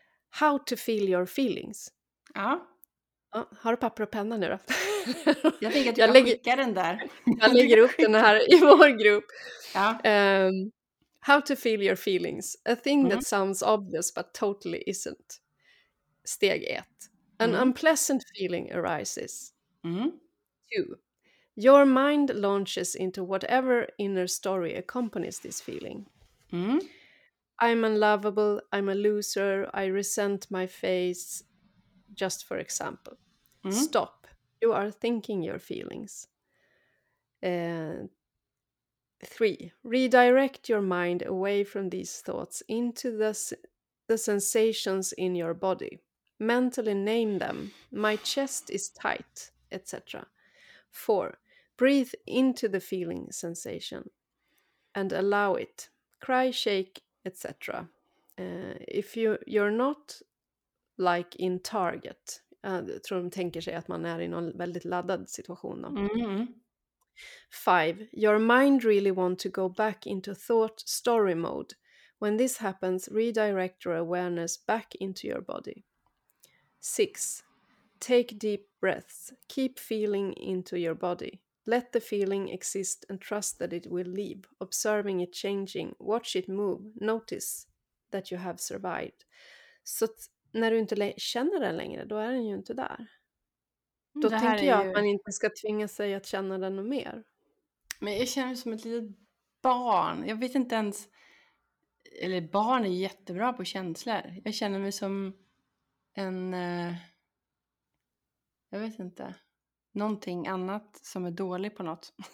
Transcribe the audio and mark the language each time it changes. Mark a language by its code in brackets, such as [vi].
[en] How to feel your feelings. [sv] Ja. Har du papper och penna nu då? Jag tänker att jag skickar den där. Jag lägger upp den här i vår grupp. Ja. [en] How to feel your feelings. A thing that sounds obvious but totally isn't. Steg 1. An unpleasant feeling arises. Mm. 2. Your mind launches into whatever inner story accompanies this feeling. Mm. I'm unlovable, I'm a loser, I resent my face, just for example. Mm. Stop. You are thinking your feelings. 3. Redirect your mind away from these thoughts into the sensations in your body. Mentally name them. My chest is tight, etc. 4. Breathe into the feeling sensation and allow it. Cry, shake, etc. If you're not like in target. [sv] Jag tror de tänker sig att man är i någon väldigt laddad situation. 5. [en] Your mind really want to go back into thought story mode. When this happens, redirect your awareness back into your body. 6. Take deep breaths. Keep feeling into your body. Let the feeling exist and trust that it will leave. Observing it changing. Watch it move. Notice that you have survived. [sv] Så när du inte känner den längre, då är den ju inte där. Då tänker jag att man inte ska tvinga sig att känna den mer. Men jag känner mig som ett litet barn. Jag vet inte ens. Eller barn är jättebra på känslor. Jag känner mig som en, jag vet inte, någonting annat som är dålig på något.